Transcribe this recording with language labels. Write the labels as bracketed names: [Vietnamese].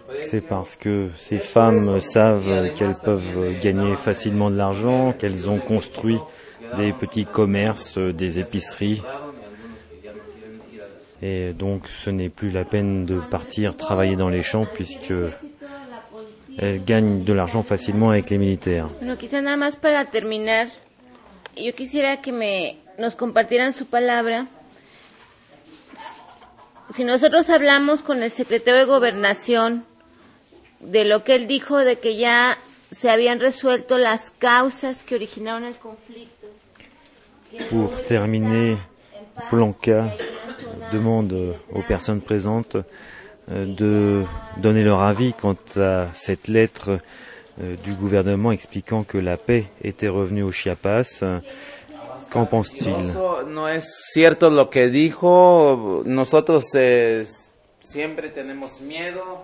[French] C'est parce que ces femmes savent qu'elles peuvent gagner facilement de l'argent, qu'elles ont construit des petits commerces, des épiceries. Et donc ce n'est plus la peine de partir travailler dans les champs puisque elles gagnent de l'argent facilement avec les militaires. [Spanish] Bueno, quizá nada más para terminar, yo quisiera que me nos compartieran su palabra. Si nosotros hablamos con el secretario de Gobernación de lo que él dijo de que ya se habían resuelto las causas que originaron el conflicto. [French] Pour terminer, Blanca demande aux personnes présentes de donner leur avis quant à cette lettre du gouvernement expliquant que la paix était revenue au Chiapas. Qu'en pense-t-il? [Spanish] No es cierto lo que dijo. Nosotros siempre tenemos miedo.